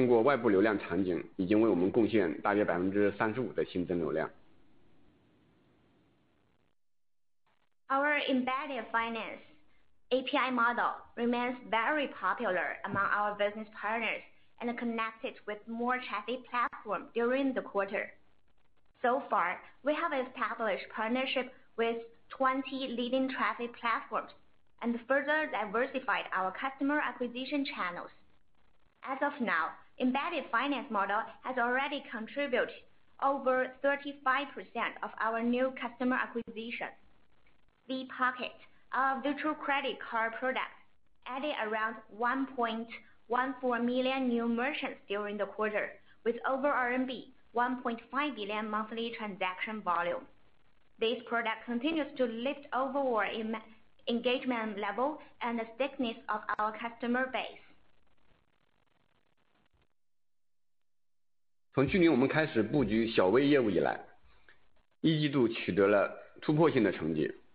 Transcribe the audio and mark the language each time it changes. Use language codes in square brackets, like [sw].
[zh] 类似虚拟信用卡的微零花业务，相比2020年Q4新增114万的商户，单月交易量超过15亿，持续提升我们客户的动之意愿，有效地增强我们客户的粘性。如今我们嵌入式金融通过外部流量场景已经为我们贡献大约 35%的新增流量。 [en] Our embedded finance API model remains very popular among our business partners and connected with more traffic platforms during the quarter. So far, we have established partnership with 20 leading traffic platforms and further diversified our customer acquisition channels. As of now, embedded finance model has already contributed over 35% of our new customer acquisition. The pocket, our virtual credit card product, added around 1.14 million new merchants during the quarter, with over RMB 1.5 billion monthly transaction volume. This product continues to lift overall engagement level and the stickiness of our customer base. [zh] 从去年我们开始布局小微业务以来，一季度取得了突破性的成绩。